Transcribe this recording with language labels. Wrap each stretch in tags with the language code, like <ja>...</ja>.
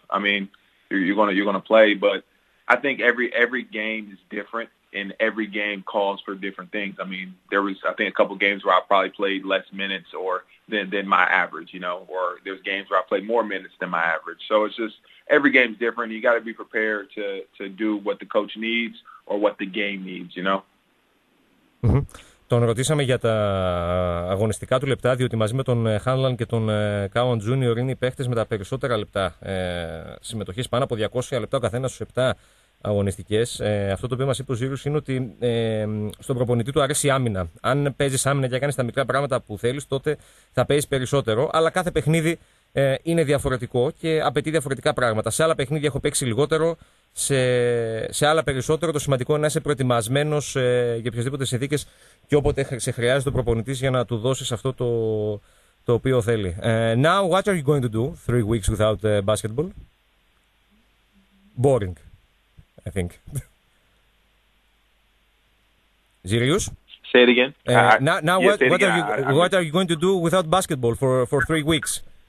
<en>I mean, you're gonna play, but I think every game is different, and every game calls for different things. I mean, there was, I think, a couple games where I probably played less minutes or than my average, you know, or there's games where I played more minutes than my average. So it's just every game is different. You got to be prepared to do what the coach needs or what the game needs, you know? Mm-hmm.</en> <el>Τον ρωτήσαμε για τα αγωνιστικά του λεπτά, διότι μαζί με τον Χάνλαν και τον Κάουαν Τζούνιορ είναι οι παίχτες με τα περισσότερα λεπτά συμμετοχής, πάνω από 200 λεπτά ο καθένας στους 7 αγωνιστικές. Αυτό το οποίο μας είπε ο Ζήρους είναι ότι στον προπονητή του αρέσει η άμυνα. Αν παίζεις άμυνα και κάνεις τα μικρά πράγματα που θέλεις, τότε θα παίζεις περισσότερο. Αλλά κάθε παιχνίδι είναι διαφορετικό και απαιτεί διαφορετικά πράγματα. Σε άλλα παιχνίδια έχω παίξει λιγότερο. Σε άλλα περισσότερο, το σημαντικό είναι να είσαι προετοιμασμένος για οποιασδήποτε συνθήκες και όποτε σε χρειάζεται ο προπονητής για να του δώσεις αυτό το οποίο θέλει.</el> <en>Now, what are you going to do 3 weeks without basketball? Boring. I think. Xeyrius? Say it again. What are you going to do without basketball for 3 weeks?</en>